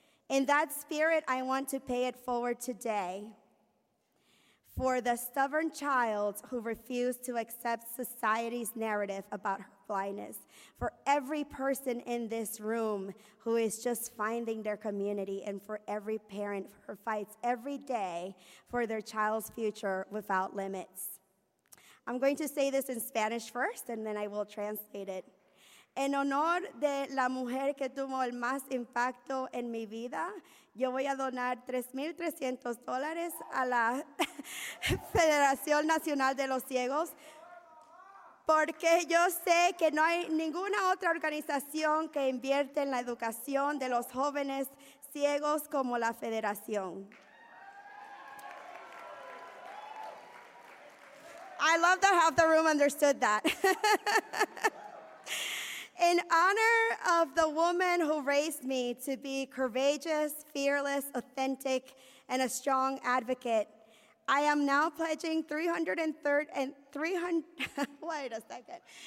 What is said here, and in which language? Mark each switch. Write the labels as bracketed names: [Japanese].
[English] In that spirit, I want to pay it forward today for the stubborn child who refused to accept society's narrative about her blindness, for every person in this room who is just finding their community, and for every parent who fights every day for their child's future without limits. I'm going to say this in Spanish first, and then I will translate it. [Spanish] En honor de la mujer que tuvo el más impacto en mi vida, yo voy a donar $3,300 a la Federación Nacional de los Ciegos, porque yo sé que no hay ninguna otra organización que invierte en la educación de los jóvenes ciegos como la Federación. [English] I love that half the room understood that. In honor of the woman who raised me to be courageous, fearless, authentic, and a strong advocate, I am now pledging wait a second.